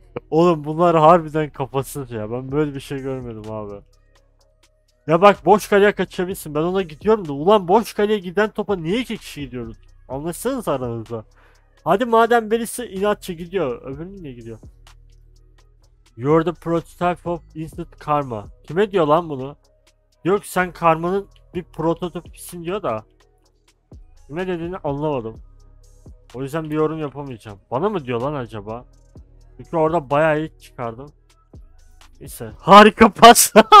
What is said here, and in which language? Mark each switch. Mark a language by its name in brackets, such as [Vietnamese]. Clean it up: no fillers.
[Turkish] Oğlum bunlar harbiden kafasız ya. Ben böyle bir şey görmedim abi. Ya bak, boş kaleye kaçabilirsin. Ben ona gidiyorum da. Ulan boş kaleye giden topa niye iki kişi gidiyoruz? Anlaşsanız aranızda. Hadi madem birisi inatçı gidiyor. Öbürü niye gidiyor? [English] You're the prototype of instant karma. [Turkish] Kime diyor lan bunu? Diyor ki sen karmanın bir prototipisin diyor da. Kime dediğini anlamadım. O yüzden bir yorum yapamayacağım. Bana mı diyor lan acaba? Çünkü orada bayağı iyi çıkardım. Neyse. Harika pas.